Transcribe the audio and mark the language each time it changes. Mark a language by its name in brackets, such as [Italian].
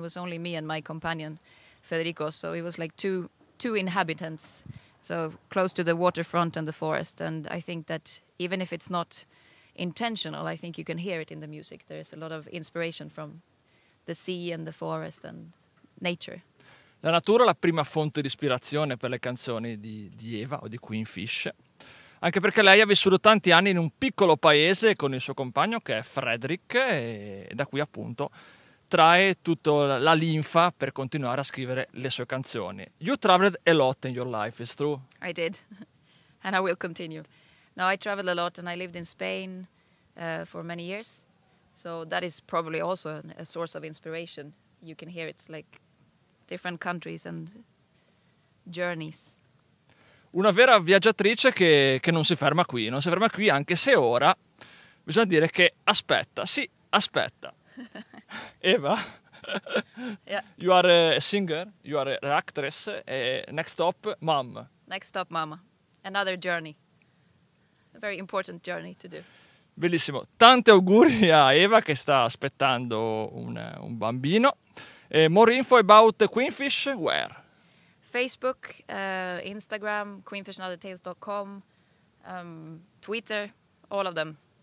[English] It was only me and my companion, Federico, so it was like two inhabitants, so close to the waterfront and the forest. And I think that even if it's not intentional, I think you can hear it in the music. There is a lot of inspiration from the sea and the forest and nature. [Italian] La natura è la prima fonte di ispirazione per le canzoni di Eva o di Queenfish, anche perché lei ha vissuto tanti anni in un piccolo paese con il suo compagno che è Frederick, e da qui appunto trae tutta la linfa per continuare a scrivere le sue canzoni. [English] You traveled a lot in your life, is true? I did, and I will continue. No, I traveled a lot and I lived in Spain for many years, so that is probably also a source of inspiration. You can hear it's like different countries and journeys. [Italian] Una vera viaggiatrice che non si ferma qui, non si ferma qui, anche se ora bisogna dire che aspetta, sì, aspetta. Eva, [English] yeah. You are a singer, you are an actress, next stop, mom. Next stop, mama. Another journey, a very important journey to do. [Italian] Bellissimo, tanti auguri a Eva che sta aspettando un bambino. [English] More info about Queenfish, where? Facebook, Instagram, queenfishandothertales.com, Twitter, all of them.